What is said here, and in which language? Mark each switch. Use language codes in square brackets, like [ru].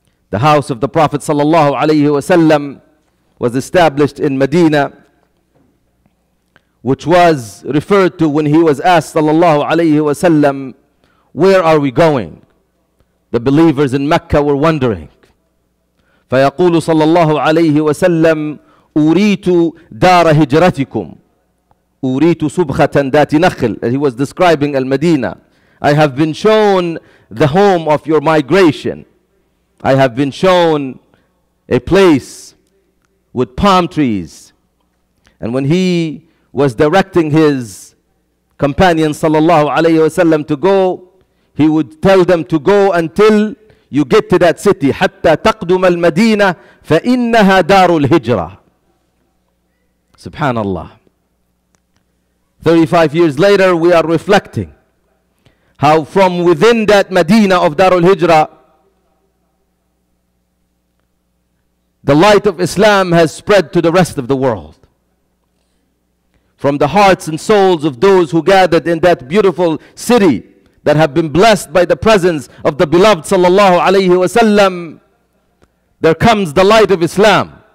[en] The house of the Prophet sallallahu alayhi wa sallam was established in Medina, which was referred to when he was asked sallallahu alayhi wa sallam, where are we going? The believers in Mecca were wondering. [ar] فَيَقُولُ صَلَّى اللَّهُ عَلَيْهِ وَسَلَّمْ أُرِيتُ دَارَ هِجْرَتِكُمْ أُرِيتُ سُبْخَةً دَاتِ نَخِلْ. [en] He was describing Al-Madinah. I have been shown the home of your migration. I have been shown a place with palm trees. And when he was directing his companion sallallahu alayhi wasallam to go, he would tell them to go until you get to that city. [ar] حَتَّى تَقْدُمَ الْمَدِينَةِ فَإِنَّهَا دَارُ الْهِجْرَةِ Subhanallah. [en] 35 years later, we are reflecting how from within that Medina of Darul Hijra, the light of Islam has spread to the rest of the world. From the hearts and souls of those who gathered in that beautiful city that have been blessed by the presence of the beloved sallallahu alayhi wasallam, there comes the light of Islam.